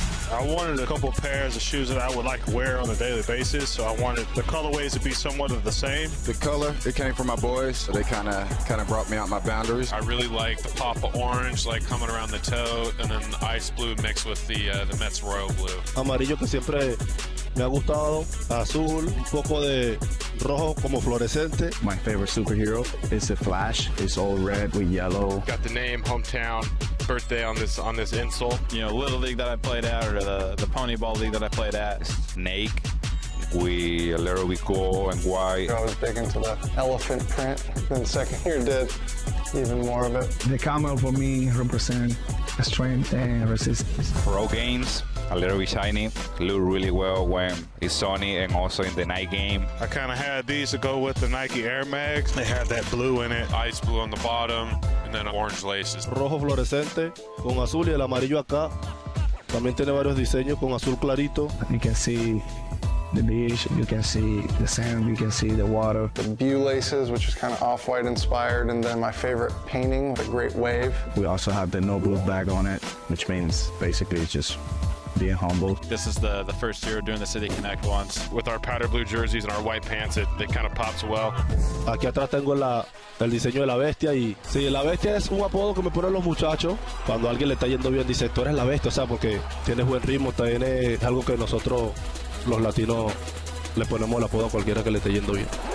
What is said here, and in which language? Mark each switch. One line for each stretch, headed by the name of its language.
English: I wanted a couple pairs of shoes that I would like to wear on a daily basis, so I wanted the colorways to be somewhat of the same. The color, it came from my boys, so they kind of brought me out my boundaries. I really like the pop of orange, like coming around the toe, and then the ice blue mixed with the Mets royal blue.
Spanish: Amarillo que siempre me ha gustado, azul, un poco de rojo como fluorescente.
English: My favorite superhero is the Flash. It's all red with yellow. Got the name, hometown, birthday on this insole. You know, Little League that I played at, or the Pony Ball League that I played at. Snake. We cool and white. I was big into the elephant print. Then the second year did even more of it. The camel for me represents strength and resistance. Pro games. A little bit shiny, look really well when it's sunny and also in the night game. I kind of had these to go with the Nike Air Max. They had that blue in it. Ice blue on the bottom, and then orange laces.
Spanish: Rojo fluorescente, con azul y el amarillo acá. También tiene varios diseños con azul clarito.
English: You can see the beach, you can see the sand, you can see the water. The Bew laces, which is kind of off-white inspired, and then my favorite painting, the Great Wave. We also have the no blue bag on it, which means basically it's just being humble. This is the first year doing the City Connect ones. With our powder blue jerseys and our white pants, it kind of pops well.
Spanish: Aquí atrás tengo el diseño de la bestia y sí, la bestia es un apodo que me ponen los muchachos cuando alguien le está yendo bien. Dice, tú eres la bestia, o sea, porque tienes buen ritmo, tienes algo que nosotros los latinos le ponemos el apodo a cualquiera que le esté yendo bien.